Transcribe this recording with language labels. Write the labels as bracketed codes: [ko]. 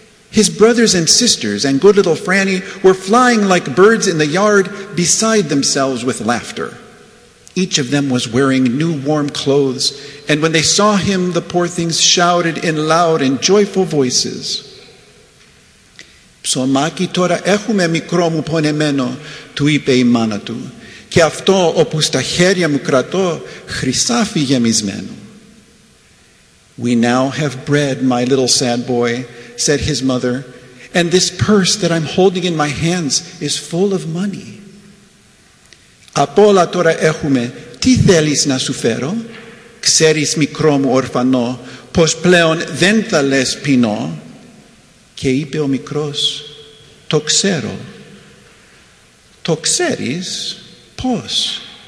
[en] His brothers and sisters and good little Franny were flying like birds in the yard beside themselves with laughter. Each of them was wearing new warm clothes, and when they saw him, the poor things shouted in loud and joyful voices. [el] «Ψωμάκι τώρα έχουμε μικρό μου πονεμένο», του είπε η μάνα του, «και αυτό όπου στα χέρια μου κρατώ χρυσάφι γεμισμένο». [en] «We now have bread, my little sad boy», said his mother, «and this purse that I'm holding in my hands is full of money». [el] «Απ' όλα τώρα έχουμε, τι θέλεις να σου φέρω, ξέρεις μικρό μου ορφανό, πως πλέον δεν θα λες πεινώ». Και είπε ο μικρός, «Το ξέρω». «Το ξέρεις, πώς?»